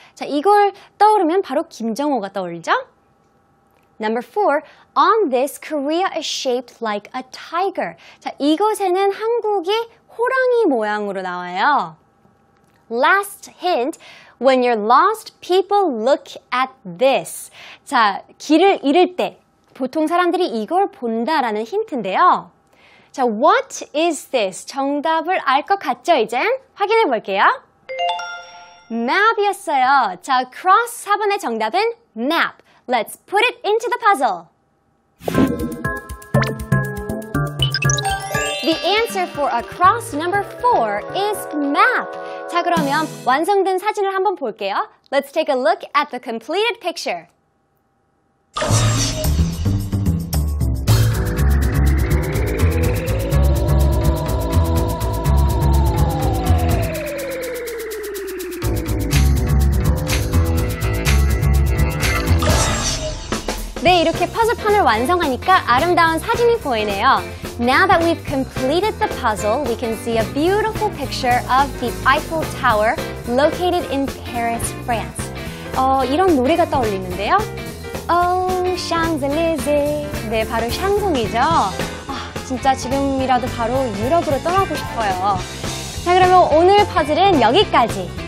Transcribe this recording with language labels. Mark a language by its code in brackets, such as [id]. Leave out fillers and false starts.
[ko] 자, 이걸 떠오르면 바로 김정호가 떠오르죠? [en] Number 4. On this, Korea is shaped like a tiger. [ko] 자, 이것에는 한국이 호랑이 모양으로 나와요. [en] Last hint. When you're lost, people look at this. [ko] 자, 길을 잃을 때 보통 사람들이 이걸 본다라는 힌트인데요. 자, [en] what is this? [ko] 정답을 알 것 같죠, 이젠? 확인해 볼게요. map이었어요. 자, cross 4번의 정답은 map. [en] Let's put it into the puzzle. The answer for across number 4 is map. [ko] 자, 그러면 완성된 사진을 한번 볼게요. [en] Let's take a look at the completed picture. [ko] 네, 이렇게 퍼즐판을 완성하니까 아름다운 사진이 보이네요. [en] Now that we've completed the puzzle, we can see a beautiful picture of the Eiffel Tower located in Paris, France. [ko] 이런 노래가 떠올리는데요. Oh, Champs-Élysées. 네, 바로 샹송이죠. 아, 진짜 지금이라도 바로 유럽으로 떠나고 싶어요. 자, 그러면 오늘 퍼즐은 여기까지.